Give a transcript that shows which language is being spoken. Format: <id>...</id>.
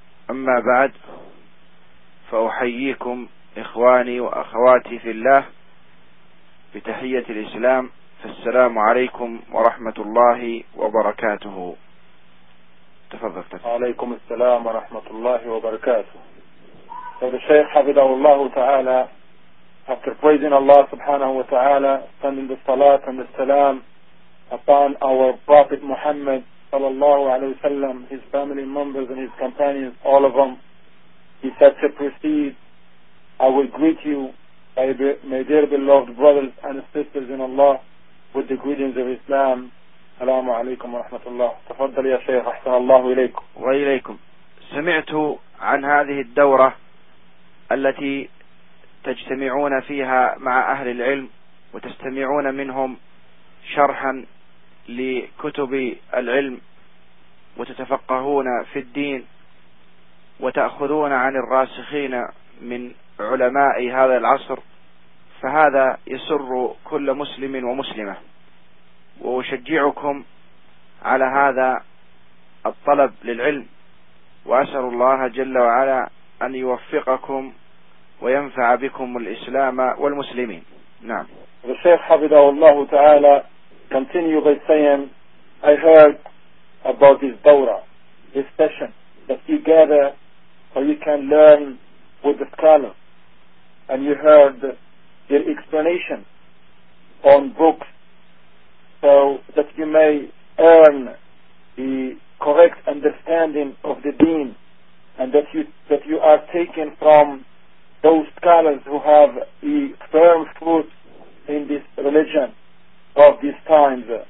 <ar>أما بعد، فأحييكم إخواني وأخواتي في الله بتحية الإسلام، فالسلام عليكم ورحمة الله وبركاته. تفضل. عليكم السلام ورحمة الله وبركاته.</ar> <en>So the Shaykh Hafidahullah Ta'ala, after praising Allah Subhanahu Wa Ta'ala, sending the salat and the salam upon our Prophet Muhammad Sallallahu Alaihi Wasallam, his family members and his companions, all of them, he said to proceed, I will greet you, my dear beloved brothers and sisters in Allah, with the greetings of Islam.</en> <ar>Assalamu alaikum wa rahmatullah. Tafaddal ya Shaykh, ahsanallahu ilaykum. Wa ilaykum. Sami'tu an hadhihi ad-dawra التي تجتمعون فيها مع أهل العلم وتستمعون منهم شرحا لكتب العلم وتتفقهون في الدين وتأخذون عن الراسخين من علماء هذا العصر، فهذا يسر كل مسلم ومسلمة، وأشجعكم على هذا الطلب للعلم، وأسأل الله جل وعلا أن يوفقكم وينفع بكم الإسلام والمسلمين. نعم.</ar> <en>The Shaykh حفظه الله تعالى continued by saying, I heard about this dawra, this session, that you gather or you can learn with the scholar, and you heard their explanation on books, so that you may earn the correct understanding of the deen, and that you are taken from those scholars who have a firm foot in this religion of these times.</en>